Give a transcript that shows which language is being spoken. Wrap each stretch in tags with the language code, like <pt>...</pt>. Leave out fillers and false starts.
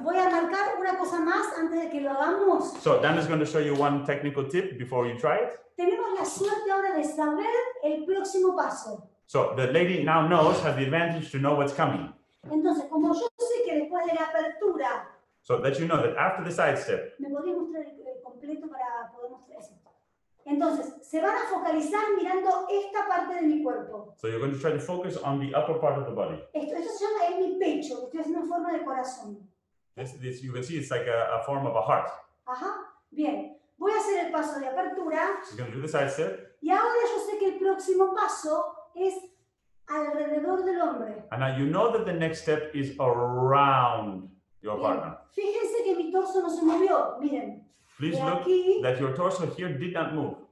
<es>Voy a marcar una cosa más antes de que lo hagamos.</es> <en>So, Dana's going to show you one technical tip before you try it.</en> <es>Tenemos la suerte ahora de saber el próximo paso.</es> <en>So, the lady now knows, has the advantage to know what's coming.</en> <es>Entonces, como yo sé que después de la apertura...</es> <en>So, that you know that after the sidestep...</en> <es>¿Me podrías mostrar el completo para poder mostrar eso? Entonces, se van a focalizar mirando esta parte de mi cuerpo.</es> <en>So you're going to try to focus on the upper part of the body.</en> <es>Esto se llama, es mi pecho, esto es una forma de corazón.</es> <en>This you can see it's like a form of a heart.</en> <es>Ajá, bien. Voy a hacer el paso de apertura.</es> <en>She's going to do the side step.</en> <es>Y ahora yo sé que el próximo paso es alrededor del hombre.</es> <en>And now you know that the next step is around your partner.</en> <es>Fíjense que mi torso no se movió, miren.</es> <en>Please look that your torso here did not move.</en>